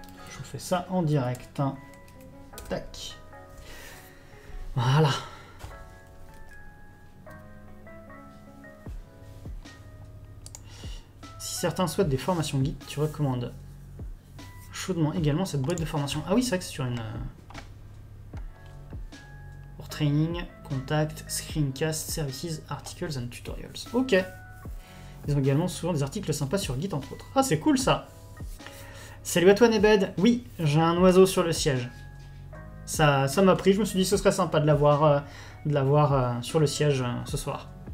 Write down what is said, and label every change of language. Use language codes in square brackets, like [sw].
[fr] Je vous fais ça en direct. Hein. Tac. Voilà. Si certains souhaitent des formations geek, tu recommandes chaudement également cette boîte de formation. Ah oui, c'est vrai que c'est sur une... [en] Pour training, contact, screencast, services, articles and tutorials. Ok. [fr] Ils ont également souvent des articles sympas sur Git, entre autres. Ah, c'est cool, ça. Salut à toi, Nebed. Oui, j'ai un oiseau sur le siège. Ça m'a pris. Je me suis dit que ce serait sympa de l'avoir, sur le siège ce soir.